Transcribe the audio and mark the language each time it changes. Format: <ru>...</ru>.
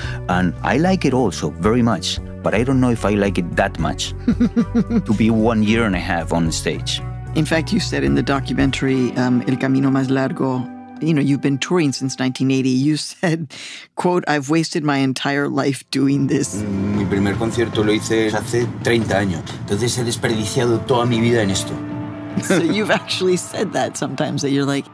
<en>And I like it also very much, but I don't know if I like it that much to be 1 year and a half on stage. In fact, you said in the documentary, El Camino Más Largo, you know, you've been touring since 1980. You said, quote, I've wasted my entire life doing this.</en> <es>Mi primer concierto lo hice hace 30 años. Entonces he desperdiciado toda mi vida en esto.</es> <en>So you've actually said that sometimes, that you're like...</en>